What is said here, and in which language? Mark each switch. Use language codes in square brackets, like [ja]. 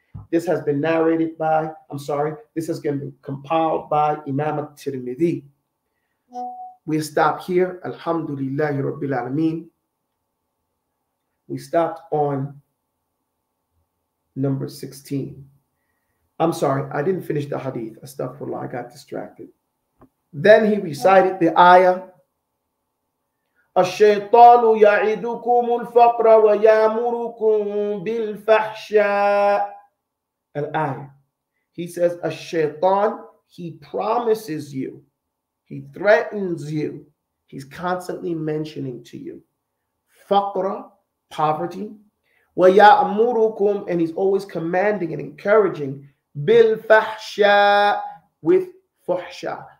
[en] This has been narrated by, this has been compiled by Imam al-Tirmidhi. We stop here. Alhamdulillahi Rabbil Alameen. We stopped on number 16. I'm sorry, I didn't finish the hadith. Astaghfirullah, I got distracted. Then he recited the ayah. [ar] الشيطان يعدكم الفقر ويأمركم بالفحشاء. الآية. [en] He says, الشيطان, he promises you, he threatens you, he's constantly mentioning to you, فقر, poverty, ويأمركم, and he's always commanding and encouraging, بالفحشاء, with فحشاء.